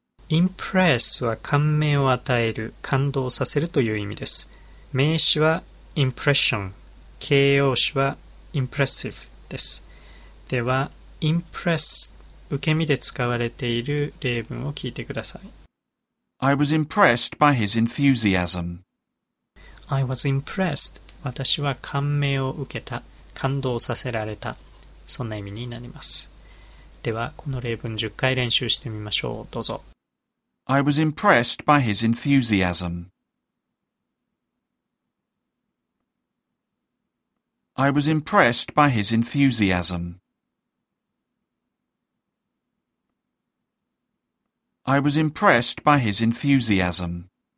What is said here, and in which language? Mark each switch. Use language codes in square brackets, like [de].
[ja] Impress は感銘を与える、感動させるという意味です。名詞は impression、形容詞は impressive です。では、impress、受け身で使われている例文を聞いてください。 [en] I was impressed by his enthusiasm. I was impressed. [ja] 私は感銘を受けた、感動させられた。そんな意味になります。では、この例文10回練習してみましょう。どうぞ。 [en] I was impressed by his enthusiasm. I was impressed by his enthusiasm. I was impressed by his enthusiasm.